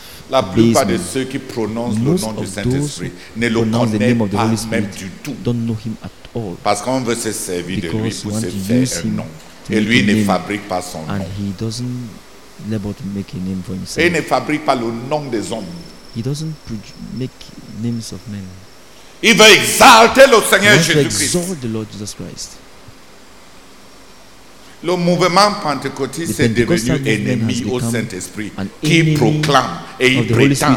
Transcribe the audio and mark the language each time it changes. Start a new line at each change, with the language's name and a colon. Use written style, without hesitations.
French: La plupart de ceux qui prononcent le nom du Saint-Esprit ne le connaissent pas même du tout.
English: Don't know him at all.
French: Parce qu'on veut se servir de lui pour se faire un nom. Et lui ne fabrique pas son nom.
English: And he doesn't labor to make a name for himself.
French: Et il ne fabrique pas le nom des hommes.
English: He doesn't make names of men.
French: Il veut exalter le Seigneur Jésus-Christ.
English: Exalt the Lord Jesus Christ.
French: Le mouvement pentecôtiste est devenu ennemi au Saint-Esprit qui proclame et il prétend.